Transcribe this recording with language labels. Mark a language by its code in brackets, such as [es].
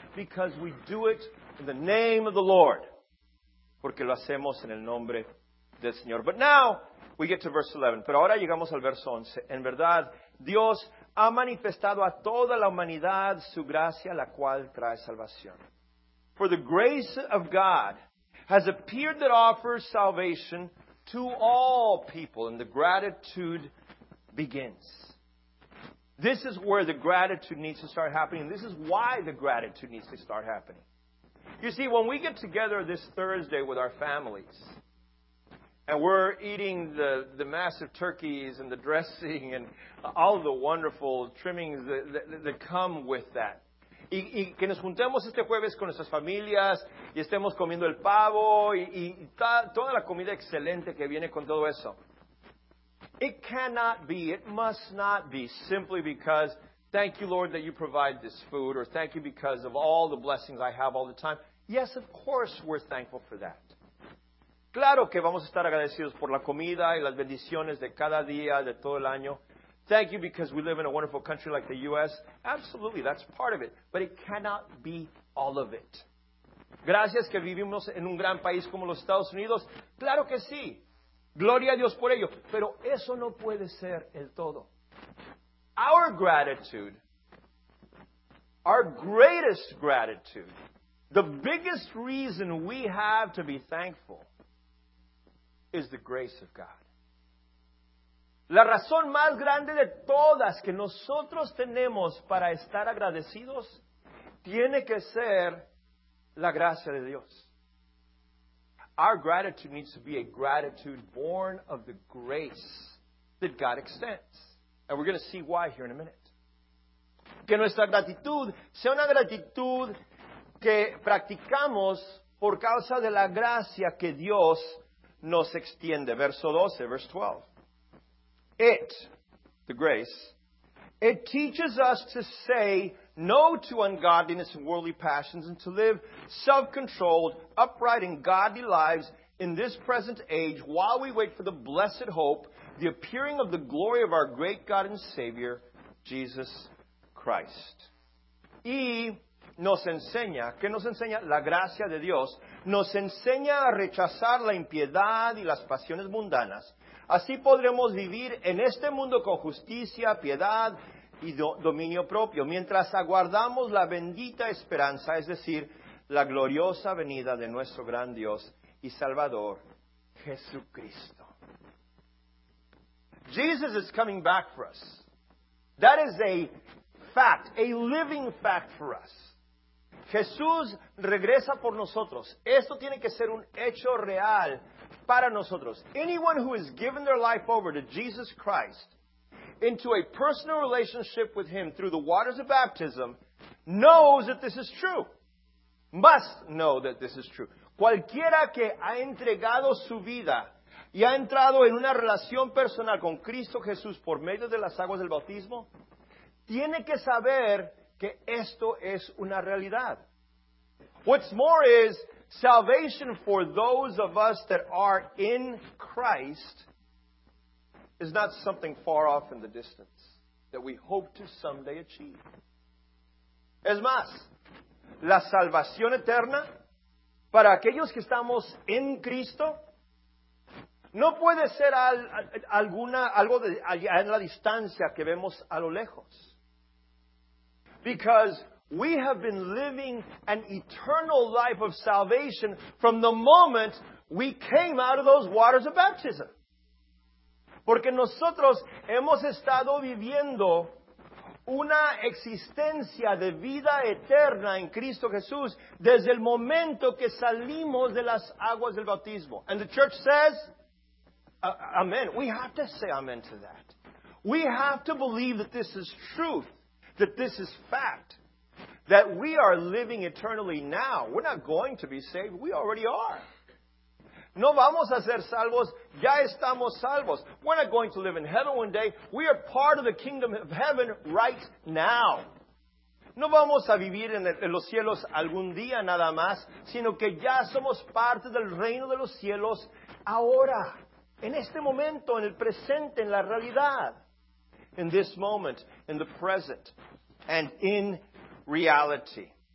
[en] Because we do it in the name of the Lord. [es] Porque lo hacemos en el nombre del Señor. [en] But now, we get to verse 11. [es] Pero ahora llegamos al verso 11. En verdad, Dios ha manifestado a toda la humanidad su gracia, la cual trae salvación. [en] For the grace of God has appeared that offers salvation to all people. And the gratitude begins. This is where the gratitude needs to start happening. This is why the gratitude needs to start happening. You see, when we get together this Thursday with our families, and we're eating the massive turkeys and the dressing and all the wonderful trimmings that come with that, [es] y que nos juntemos este jueves con nuestras familias y estemos comiendo el pavo y toda la comida excelente que viene con todo eso, [en] it cannot be, it must not be, simply because, thank you, Lord, that you provide this food, or thank you because of all the blessings I have all the time. Yes, of course, we're thankful for that. [es] Claro que vamos a estar agradecidos por la comida y las bendiciones de cada día, de todo el año. [en] Thank you because we live in a wonderful country like the U.S. Absolutely, that's part of it. But it cannot be all of it. [es] Gracias que vivimos en un gran país como los Estados Unidos. Claro que sí. Gloria a Dios por ello. Pero eso no puede ser el todo. [en] Our gratitude, our greatest gratitude, the biggest reason we have to be thankful is the grace of God. [es] La razón más grande de todas que nosotros tenemos para estar agradecidos tiene que ser la gracia de Dios. [en] Our gratitude needs to be a gratitude born of the grace that God extends. And we're going to see why here in a minute. [es] Que nuestra gratitud sea una gratitud que practicamos por causa de la gracia que Dios nos extiende. Verso 12, verse 12. [en] It, the grace, it teaches us to say no to ungodliness and worldly passions and to live self-controlled, upright, and godly lives in this present age while we wait for the blessed hope, the appearing of the glory of our great God and Savior, Jesus Christ. [es] Y nos enseña, ¿qué nos enseña? La gracia de Dios nos enseña a rechazar la impiedad y las pasiones mundanas. Así podremos vivir en este mundo con justicia, piedad y dominio propio, mientras aguardamos la bendita esperanza, es decir, la gloriosa venida de nuestro gran Dios y Salvador, Jesucristo. [en] Jesus is coming back for us. That is a fact, a living fact for us. [es] Jesús regresa por nosotros. Esto tiene que ser un hecho real para nosotros. [en] Anyone who has given their life over to Jesus Christ into a personal relationship with him through the waters of baptism knows that this is true. Must know that this is true. [es] Cualquiera que ha entregado su vida y ha entrado en una relación personal con Cristo Jesús por medio de las aguas del bautismo, tiene que saber que esto es una realidad. [en] What's more is salvation for those of us that are in Christ is not something far off in the distance that we hope to someday achieve. [es] Es más, la salvación eterna para aquellos que estamos en Cristo no puede ser algo en la distancia que vemos a lo lejos. [en] Because we have been living an eternal life of salvation from the moment we came out of those waters of baptism. [es] Porque nosotros hemos estado viviendo una existencia de vida eterna en Cristo Jesús desde el momento que salimos de las aguas del bautismo. [en] And the church says, amen. We have to say amen to that. We have to believe that this is truth, that this is fact, that we are living eternally now. We're not going to be saved. We already are. [es] No vamos a ser salvos. Ya estamos salvos. [en] We're not going to live in heaven one day. We are part of the kingdom of heaven right now. [es] No vamos a vivir en los cielos algún día nada más, sino que ya somos parte del reino de los cielos ahora, en este momento, en el presente, en la realidad. [en] In this moment, in the present, and in reality.